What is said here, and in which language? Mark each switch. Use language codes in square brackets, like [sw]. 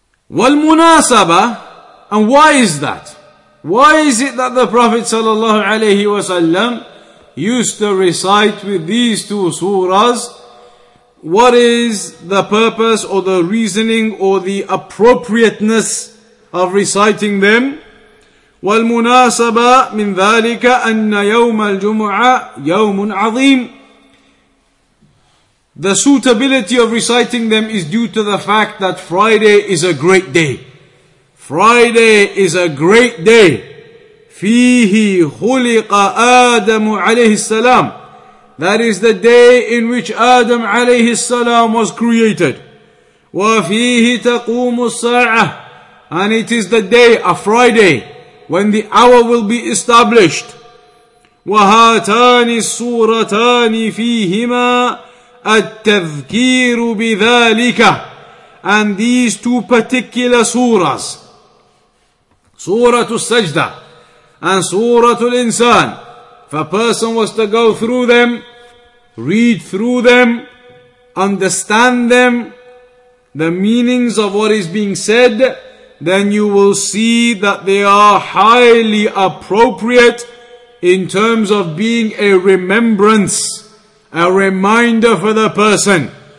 [ar] وَالْمُنَاسَبَةَ. [en] And why is that? Why is it that the Prophet sallallahu alayhi wa sallam used to recite with these two surahs? What is the purpose or the reasoning or the appropriateness of reciting them? [ar] والمناسبة من ذلك أن يوم الجمعة يوم عظيم. [en] The suitability of reciting them is due to the fact that Friday is a great day. Friday is a great day. [ar] فيه خلق آدم عليه السلام. [en] That is the day in which Adam عليه السلام was created. [ar] وفيه تقوم الساعة. [en] And it is the day, a Friday, when the hour will be established. [ar] وهاتان الصورتان فيهما التذكير بذلك. [en] And these two particular surahs, Surah Al-Sajda and Surah Al-Insan, if a person was to go through them, read through them, understand them, the meanings of what is being said, then you will see that they are highly appropriate in terms of being a remembrance, a reminder for the person.